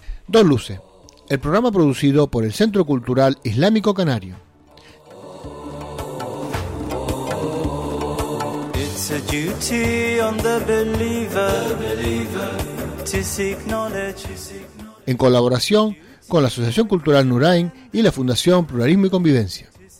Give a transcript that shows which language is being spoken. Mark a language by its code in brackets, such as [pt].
[es] Dos Luces, el programa producido por el Centro Cultural Islámico Canario. [en] It's a duty on the believer, to seek knowledge. [es] En colaboración con la Asociación Cultural Nurain y la Fundación Pluralismo y Convivencia.